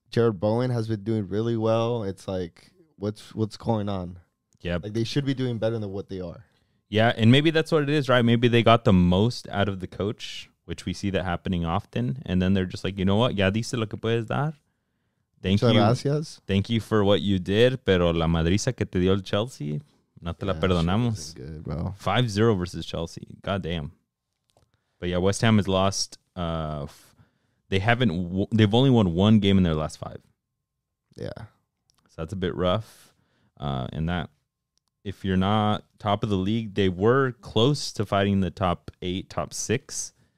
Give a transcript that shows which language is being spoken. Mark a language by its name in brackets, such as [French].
[English] Jared Bowen has been doing really well. It's like, what's going on? Yeah. Like, they should be doing better than what they are. Yeah, and maybe that's what it is, right? Maybe they got the most out of the coach, which we see that happening often. And then they're just like, you know what? [Spanish] Ya dice lo que puedes dar. [English] Thank [Spanish] Muchas [English] you. [Spanish] Gracias. [English] Thank you for what you did. [Spanish] Pero la madriza que te dio el Chelsea, no te la perdonamos. [English] Good, bro. 5-0 versus Chelsea. God damn. But yeah, West Ham has lost. They've only won one game in their last five. Yeah. So that's a bit rough. And that, if you're not top of the league, they were close to fighting the top eight, top six.